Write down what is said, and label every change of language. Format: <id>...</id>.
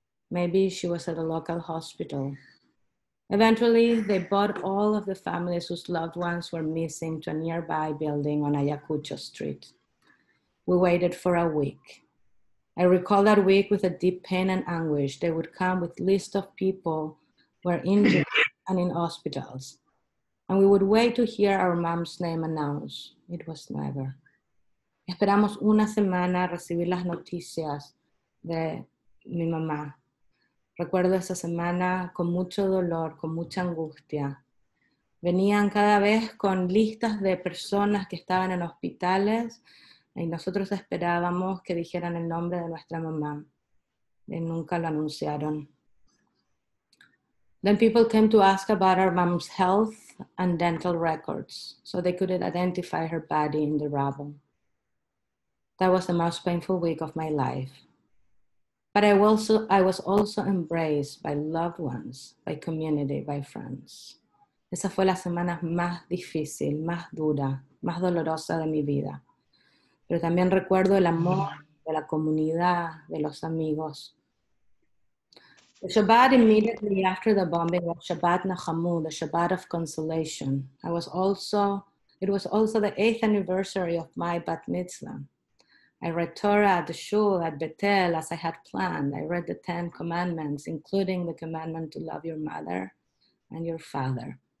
<en>Maybe she was at a local hospital. Eventually, they brought all of the families whose loved ones were missing to a nearby building on Ayacucho Street. We waited for a week. I recall that week with a deep pain and anguish. They would come with lists of people who were injured and in hospitals. And we would wait to hear our mom's name announced. It was never.</en> <es>Esperamos una semana recibir las noticias de mi mamá. Recuerdo esa semana con mucho dolor, con mucha angustia. Venían cada vez con listas de personas que estaban en hospitales. Y nosotros esperábamos que dijeran el nombre de nuestra mamá. Y nunca lo anunciaron.</es> <en>Then people came to ask about our mom's health and dental records so they could identify her body in the rubble. That was the most painful week of my life. But I was also embraced by loved ones, by community, by friends.</en> <es>Esa fue la semana más difícil, más dura, más dolorosa de mi vida. Pero también recuerdo el amor de la comunidad, de los amigos.</es> <en>The Shabbat immediately after the bombing was Shabbat Nachamu, the Shabbat of consolation. It was also the eighth anniversary of my bat mitzvah. I read Torah at the shul, at Betel, as I had planned. I read the Ten Commandments, including the commandment to love your mother and your father.</en>